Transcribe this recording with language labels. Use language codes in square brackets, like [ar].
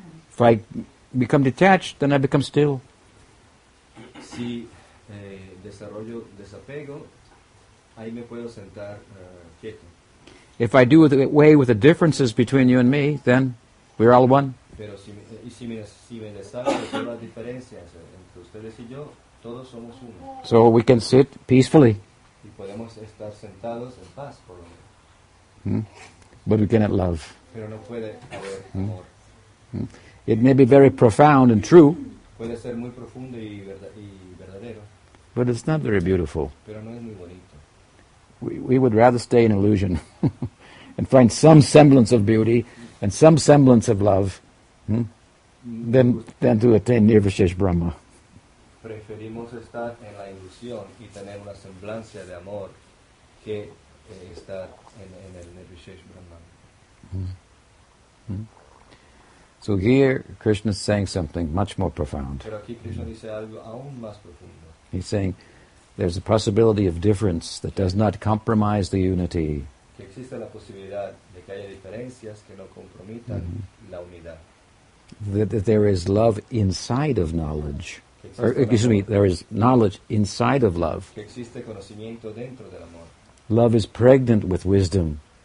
[en] If I become detached, then I become still. [es] Si, desarrollo desapego, ahí me puedo sentar, quieto. [en] If I do it away with the differences between you and me, then we're all one. [es] Pero si me desarrollo con las diferencias entre ustedes y yo, todos somos uno. [en] So we can sit peacefully. [es] Y podemos estar sentados en paz, por lo menos. [en] But we cannot love. [es] Pero no puede haber amor. [en] It may be very profound and true, [es] puede ser muy profundo y verdadero, [en] but it's not very beautiful. [es] Pero no es muy bonito. [en] We would rather stay in illusion and find some semblance of beauty and some semblance of love than to attain Nirvishesh Brahma. [es] Preferimos estar en la ilusión y tener una semblancia de amor que estar en el Nirvishesh Brahma. [en] So here, Krishna is saying something much more profound. [es] Pero aquí Krishna dice algo aún más profundo. [en] He's saying there's a possibility of difference that does not compromise the unity. [es] Que existe la posibilidad de que haya diferencias que no comprometan la unidad. [en] That there is love inside of knowledge. There is knowledge inside of love. [es] Que existe conocimiento dentro del amor. [en] Love is pregnant with wisdom.